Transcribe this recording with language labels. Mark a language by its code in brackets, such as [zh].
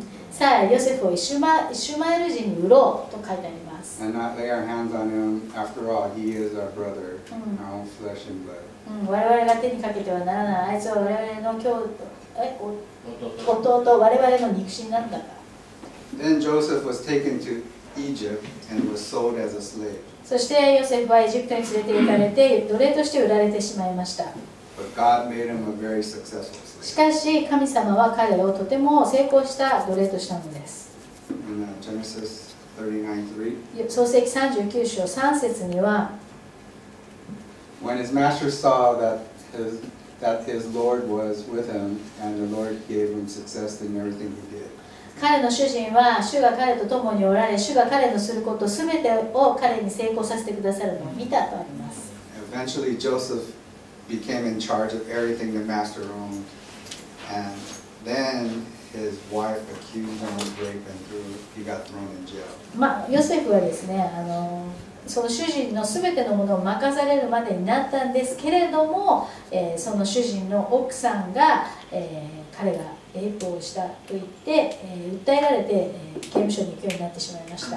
[ja] さあヨセフをイシュマエル人に売ろうと書いてあります。我々が手にかけてはならない。あいつは我々の弟、我々の肉親なんだから。 [en] Then Joseph was taken to Egypt and was sold as a slave. [ja] そしてヨセフはエジプトに連れて行かれて奴隷として売られてしまいました。 [en] But God made him a very successful slave. [ja] しかし神様は彼をとても成功した奴隷としたのです。 [en] In Genesis 39:3, [ja] 創世記39章3節には、 [en] When his master saw that his Lord was with him and the Lord gave him success in everything he did. [ja] 彼の主人は主が彼と共におられ、主が彼のすること全てを彼に成功させてくださるのを見たとあります。 [en] Eventually JosephBecame in charge of everything the master owned, and then his wife accused him of rape, and he got thrown in jail. [ja] ヨセフはですね、その主人のすべてのものを任されるまでになったんですけれども、その主人の奥さんが、彼がレイプをしたと言って、訴えられて、刑務所に行くようになってしまいました。